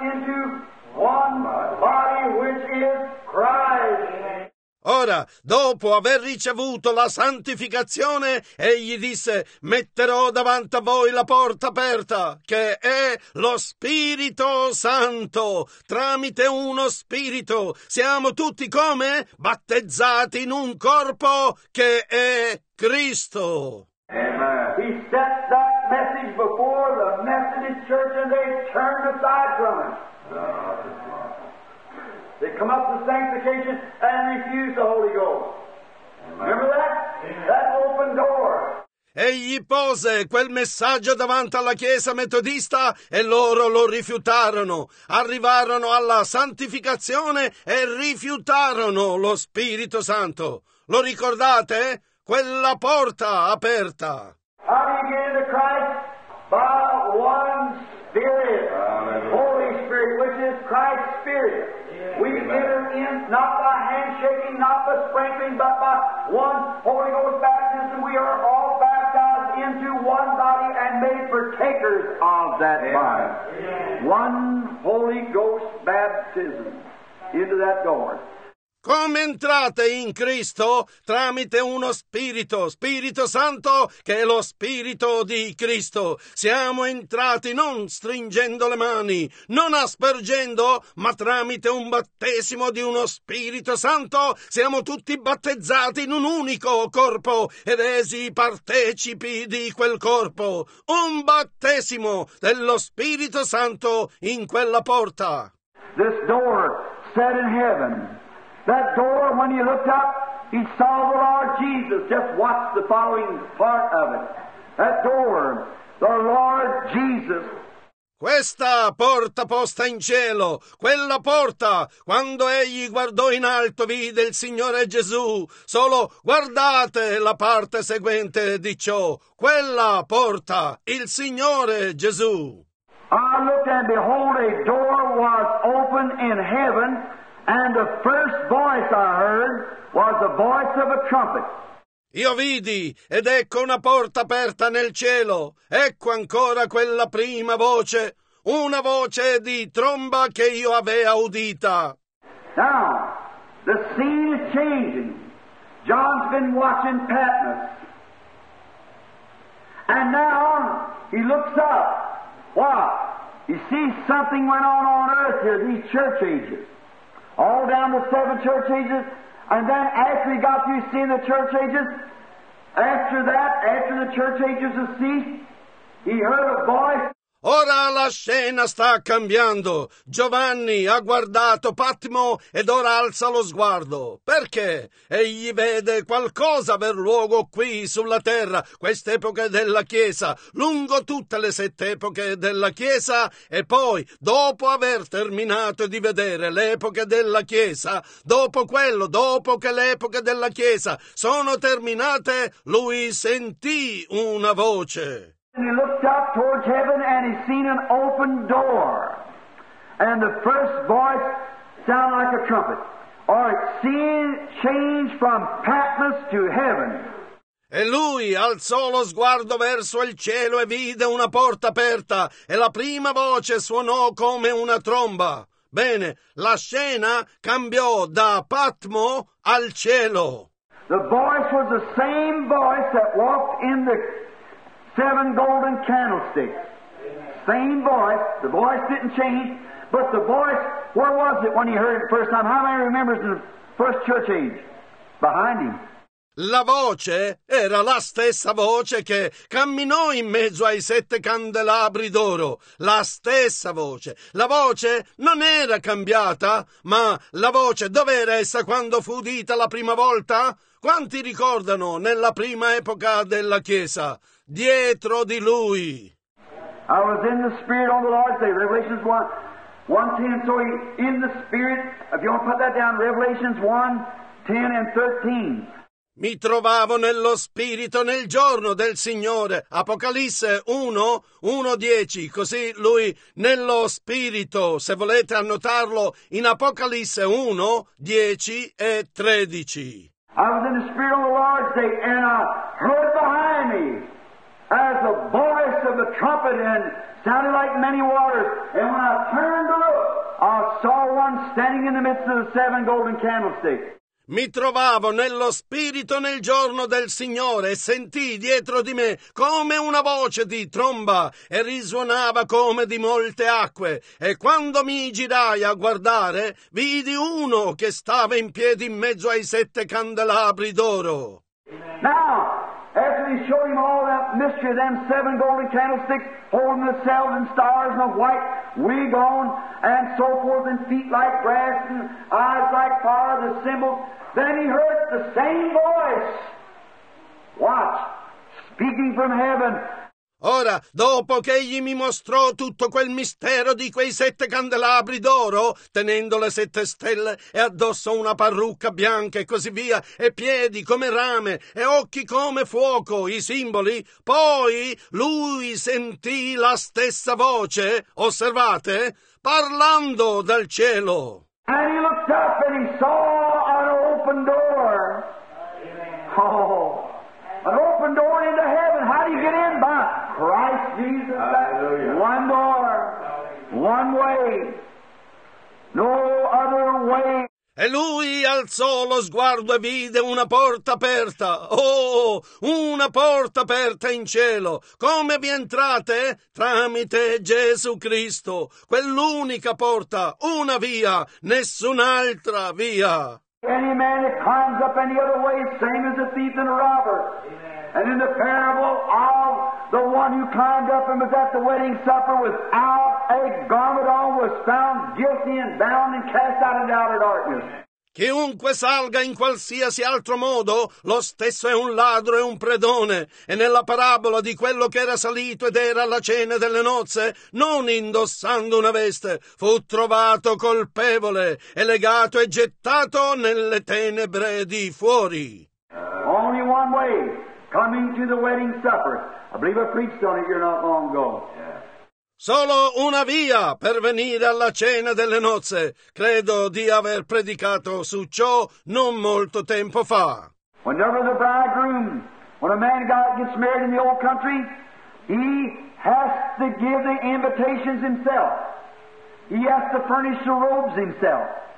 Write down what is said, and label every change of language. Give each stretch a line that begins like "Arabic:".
English: into one body, which is Christ. Ho
Italian: Ora, dopo aver ricevuto la santificazione, egli disse: metterò davanti a voi la porta aperta, che è lo Spirito Santo. Tramite uno Spirito siamo tutti come? Battezzati in un corpo che è Cristo.
English: He set that message before the Methodist Church and they turned aside from it. They come up to sanctification and refuse the Holy Ghost. Remember that? That open door.
Italian: Egli pose quel messaggio davanti alla chiesa metodista e loro lo rifiutarono. Arrivarono alla santificazione e rifiutarono lo Spirito Santo. Lo ricordate? Quella porta aperta.
English: How do you get into Christ? By one Spirit. Holy Spirit, which is Christ's Spirit. We enter in not by handshaking, not by sprinkling, but by one Holy Ghost baptism. We are all baptized into one body and made partakers of that body. One Holy Ghost baptism into that door.
Italian: Come entrate in Cristo? Tramite uno Spirito, Spirito Santo, che è lo Spirito di Cristo. Siamo entrati non stringendo le mani, non aspergendo, ma tramite un battesimo di uno Spirito Santo. Siamo tutti battezzati in un unico corpo ed esi partecipi di quel corpo. Un battesimo dello Spirito Santo in quella porta.
English: This door set in heaven. That door, when he looked up, he saw the Lord Jesus. Just watch the following part of it. That door, the Lord Jesus.
Italian: Questa porta posta in cielo, quella porta, quando egli guardò in alto, vide il Signore Gesù. Solo guardate la parte seguente di ciò. Quella porta, il Signore Gesù.
English: I looked and behold, a door was open in heaven. And the first voice I heard was the voice of a trumpet.
Italian: Io vidi, ed ecco una porta aperta nel cielo. Ecco ancora quella prima voce, una voce di tromba che io avea udita.
English: Now, the scene is changing. John's been watching Patmos. And now, he looks up. Wow, he sees something went on earth here, these church ages. All down the seven church ages, and then after he got through seeing the church ages, after that, after the church ages had ceased, he heard a voice.
Italian: Ora la scena sta cambiando. Giovanni ha guardato Patmo ed ora alza lo sguardo. Perché? Egli vede qualcosa aver luogo qui sulla terra, quest'epoca della Chiesa, lungo tutte le sette epoche della Chiesa, e poi, dopo aver terminato di vedere l'epoca della Chiesa, dopo quello, dopo che le epoche della Chiesa sono terminate, lui sentì una voce.
English: And he looked up towards heaven and he seen an open door. And the first voice sounded like a trumpet. Or it seemed changed from Patmos to heaven.
Italian: E lui alzò lo sguardo verso il cielo e vide una porta aperta. E la prima voce suonò come una tromba. Bene, la scena cambiò da Patmo al cielo.
English: The voice was the same voice that walked in the seven golden candlesticks. Same voice. The voice didn't change. But the voice, where was it when he heard it the first time? How many remembers the first church age? Behind him.
Italian: La voce era la stessa voce che camminò in mezzo ai sette candelabri d'oro. La stessa voce. La voce non era cambiata, ma la voce, dov'era essa quando fu udita la prima volta? Quanti ricordano nella prima epoca della Chiesa? Dietro di lui.
English: I was in the Spirit on the Lord's Day, Revelations 1:10. So in the Spirit, if you want to put that down, Revelations 1:10-13.
Italian: Mi trovavo nello Spirito nel giorno del Signore. Apocalisse 1:10. Così lui nello Spirito, se volete annotarlo, in Apocalisse 1:10-13.
English: I was in the Spirit on the Lord's Day and I heard behind me as the voice of the trumpet and sounded like many waters. And when I turned to look, I saw one standing in the midst of the seven golden candlesticks.
Italian: Mi trovavo nello spirito nel giorno del Signore e sentii dietro di me come una voce di tromba e risuonava come di molte acque. E quando mi girai a guardare, vidi uno che stava in piedi in mezzo ai sette candelabri d'oro.
English: Now, after he showed him all that mystery of them seven golden candlesticks holding the seven and stars and a white wig on and so forth and feet like brass and eyes like fire, the symbols, then he heard the same voice, watch, speaking from heaven.
Italian: Ora, dopo che egli mi mostrò tutto quel mistero di quei sette candelabri d'oro, tenendo le sette stelle e addosso una parrucca bianca e così via, e piedi come rame e occhi come fuoco, i simboli, poi lui sentì la stessa voce, osservate, parlando dal cielo.
English: And he looked up and he saw an open door. Oh. An open door into heaven. How do you get in? By Christ Jesus. Hallelujah. One door. One way. No other way.
Italian: E lui alzò lo sguardo e vide una porta aperta. Oh, una porta aperta in cielo. Come vi entrate? Tramite Gesù Cristo. Quell'unica porta, una via, nessun'altra via.
English: Any man that climbs up any other way, same as a thief and a robber. Amen. And in the parable of the one who climbed up and was at the wedding supper without a garment on, was found guilty and bound and cast out into outer darkness.
Italian: Chiunque salga in qualsiasi altro modo, lo stesso è un ladro e un predone. E nella parabola di quello che era salito ed era alla cena delle nozze, non indossando una veste, fu trovato colpevole e legato e gettato nelle tenebre di fuori.
English: Only one way, coming to the wedding supper. I believe I preached on it here not long ago.
Italian: Solo una via per venire alla cena delle nozze. Credo di aver predicato su ciò non molto tempo fa.
English: Whenever the bridegroom, when a man gets married in the old country, he has to give the invitations himself. He has to furnish the robes himself.